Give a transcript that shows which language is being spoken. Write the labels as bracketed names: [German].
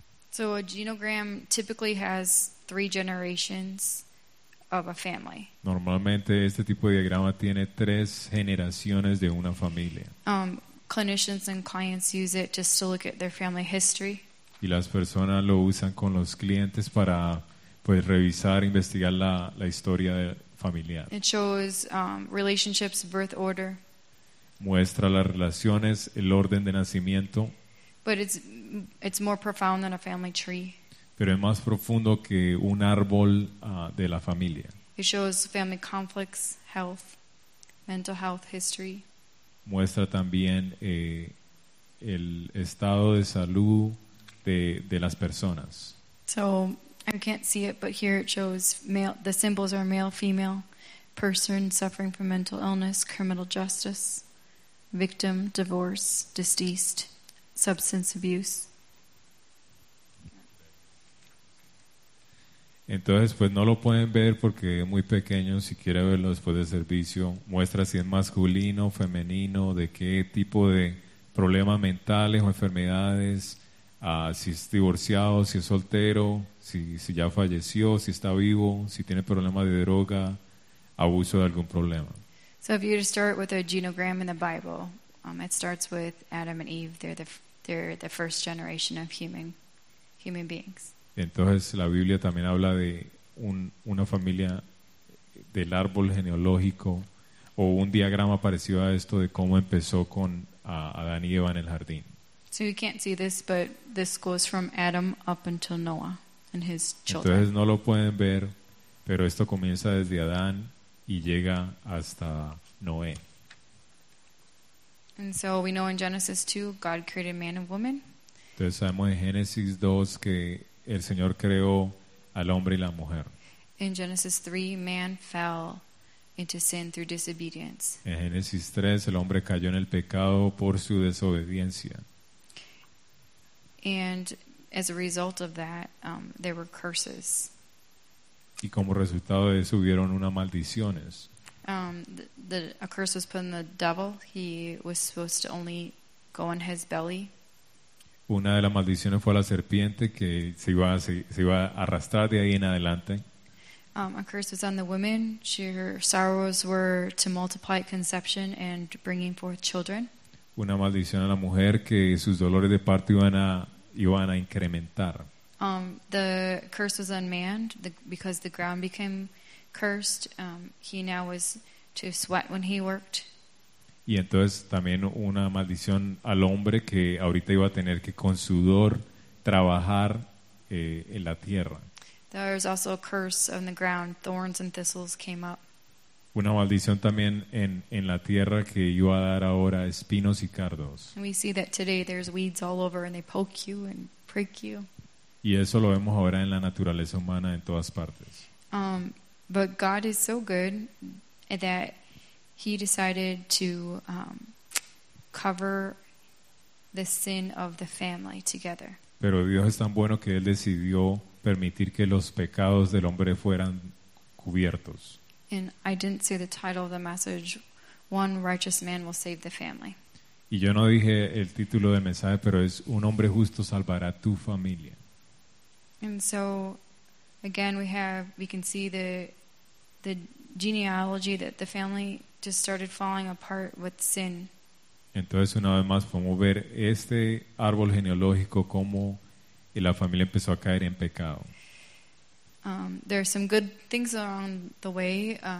[English] So a genogram typically has three generations of a family. [Spanish] Normalmente este tipo de diagrama tiene tres generaciones de una familia. [English] Clinicians and clients use it just to look at their family history. [Spanish] Y las personas lo usan con los clientes para pues revisar, investigar la historia de familiar. [English] It shows relationships, birth order. [Spanish] Muestra las relaciones, el orden de nacimiento. [English] But it's more profound than a family tree. [Spanish] Pero es más profundo que un árbol de la familia. [English] It shows family conflicts, health, mental health history. [Spanish] Muestra también el estado de salud de las personas. [English] So I can't see it, but here it shows male. The symbols are male, female, person suffering from mental illness, criminal justice, victim, divorce, deceased, substance abuse. [Spanish] Entonces, pues no lo pueden ver porque es muy pequeño. Si quiere verlo después del servicio, muestra si es masculino, femenino, de qué tipo de problemas mentales o enfermedades. Si es divorciado, si es soltero, si ya falleció, si está vivo, si tiene problemas de droga, abuso de algún problema. [English] So if you were to start with a genogram in the Bible, it starts with Adam and Eve. They're the first generation of human beings. [Spanish] Entonces la Biblia también habla de una familia del árbol genealógico o un diagrama parecido a esto de cómo empezó con Adán y Eva en el jardín. [English] So you can't see this, but this goes from Adam up until Noah and his children. [Spanish] Entonces no lo pueden ver, pero esto comienza desde Adán y llega hasta Noé. [English] And so we know in Genesis 2, God created man and woman. [Spanish] Entonces sabemos en Génesis 2 que el Señor creó al hombre y la mujer. [English] In Genesis 3, man fell into sin through disobedience. [Spanish] En Génesis 3, el hombre cayó en el pecado por su desobediencia. [English] And as a result of that, there were curses. [Spanish] Y como resultado de eso hubieron unas maldiciones. [English] A curse was put on the devil. He was supposed to only go on his belly. [Spanish] Una de las maldiciones fue a la serpiente que se iba a arrastrar de ahí en adelante. [English] A curse was on the woman. Her sorrows were to multiply conception and bringing forth children. [Spanish] Una maldición a la mujer que sus dolores de parto iban a incrementar. [English] The curse was on man because the ground became cursed. He now was to sweat when he worked. [Spanish] Y entonces también una maldición al hombre que ahorita iba a tener que con sudor trabajar en la tierra. [English] There was also a curse on the ground. Thorns and thistles came up. [Spanish] Una maldición también en la tierra que iba a dar ahora espinos y cardos. [English] And we see that today there's weeds all over and they poke you and prick you. [Spanish] Y eso lo vemos ahora en la naturaleza humana en todas partes. [English] But God is so good that He decided to cover the sin of the family together. [Spanish] Pero Dios es tan bueno que Él decidió permitir que los pecados del hombre fueran cubiertos. [English] And I didn't say the title of the message, One Righteous Man Will Save the Family. [Spanish] Y yo no dije el título del mensaje, pero es Un Hombre Justo Salvará Tu Familia. [English] And so, again, we can see the genealogy that the family just started falling apart with sin. [Spanish] Entonces, una vez más, podemos ver este árbol genealógico como la familia empezó a caer en pecado. [English] There are some good things along the way.